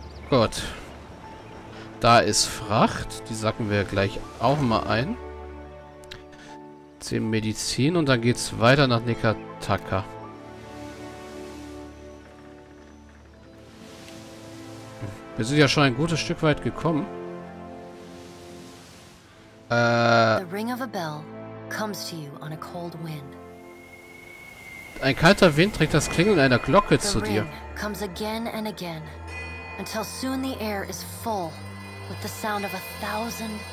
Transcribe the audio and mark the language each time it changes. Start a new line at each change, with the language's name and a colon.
German: Gott. Da ist Fracht, die sacken wir gleich auch mal ein. 10 Medizin und dann geht's weiter nach Nikataka. Wir sind ja schon ein gutes Stück weit gekommen.
English: The ring of a bell comes to you on a cold wind.
German: Ein kalter Wind trägt das Klingeln einer Glocke zu dir.
English: The ring comes again and again, until soon the air is full with the sound of a thousand.